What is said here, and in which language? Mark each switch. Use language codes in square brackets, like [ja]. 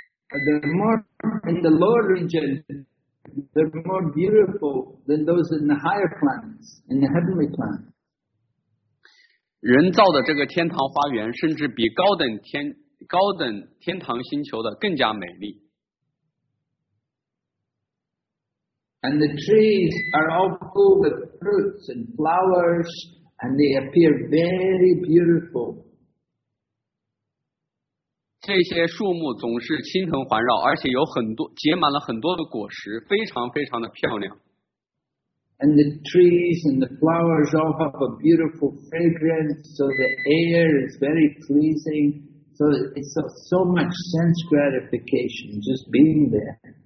[en] they're more in the lower region, they're more beautiful than those in the higher planets, in the heavenly planets. [zh] 人造的这个天堂花园甚至比高等天堂星球的更加美丽。 [en] And the trees are all full with fruits and flowers, and they appear very beautiful. [zh] 这些树木总是青藤环绕，而且有很多结满了很多的果实，非常非常的漂亮。 [en] And the trees and the flowers all have a beautiful fragrance, so the air is very pleasing. So it's so much sense gratification just being there.